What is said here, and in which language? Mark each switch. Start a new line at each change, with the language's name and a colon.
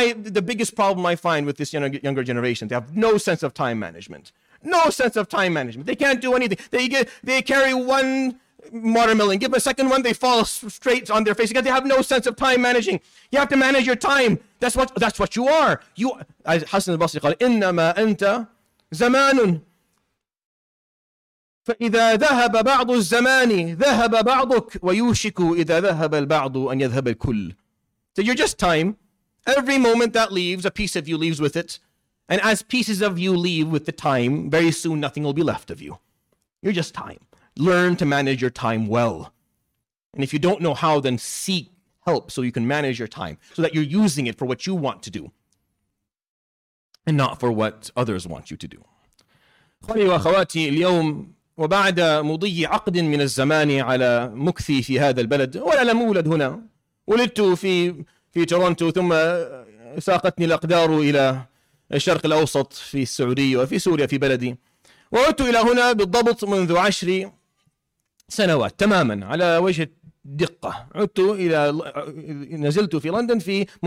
English: The biggest problem I find with this younger generation, they have no sense of time management. No sense of time management. They can't do anything. They carry one watermelon. Give them a second one, they fall straight on their face again. They have no sense of time managing. You have to manage your time. That's what you are. You, as Hassan al-Basri called,
Arabic: innama anta زمانٌ فإذا ذهب بعض الزمان ذهب بعضك ويوشك إذا ذهب البعض أن يذهب الكل.
English: So you're just time. Every moment that leaves, a piece of you leaves with it. And as pieces of you leave with the time, very soon nothing will be left of you. You're just time. Learn to manage your time well. And if you don't know how, then seek help so you can manage your time, so that you're using it for what you want to do and not for what others want you to do.
Arabic: أخواني وأخواتي اليوم وبعد مضي عقد من الزمان على مكثي في هذا البلد ولا لم أولد هنا ولدت في تورونتو ثم ساقتني الأقدار إلى الشرق الأوسط في السعودية وفي سوريا في بلدي وعدت إلى هنا بالضبط منذ 10 سنوات تماما على وجه الدقة عدت إلى نزلت في لندن في